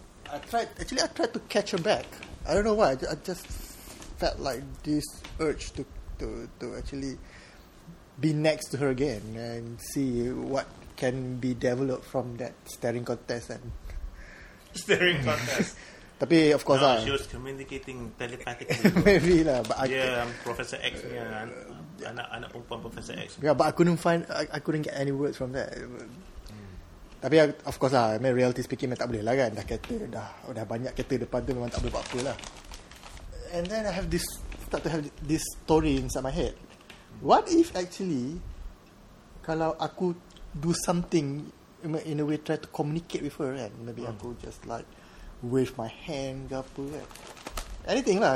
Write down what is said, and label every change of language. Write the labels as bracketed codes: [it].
[en] I tried to catch her back. I don't know why, I just felt like this urge to actually be next to her again and see what can be developed from that staring contest and staring contest. [ms] Tapi [en] of course lah. She was communicating telepathically. Maybe lah, but [ms] Professor X ni anak perempuan Professor X. [en] Yeah, but I couldn't get any words from that. [ms] Tapi [en] of course [ms] lah, [en] I mean, reality speaking, [ms] memang tak boleh lah kan. Dah kereta, dah banyak kereta depan tu, memang tak boleh buat apa lah. [en] And then I have this, start to have this story inside my head. What if actually, [ms] kalau aku [en] do something in a way, try to communicate with her kan, maybe aku just like wave my hand [ms] ke apa kan, [en] anything lah.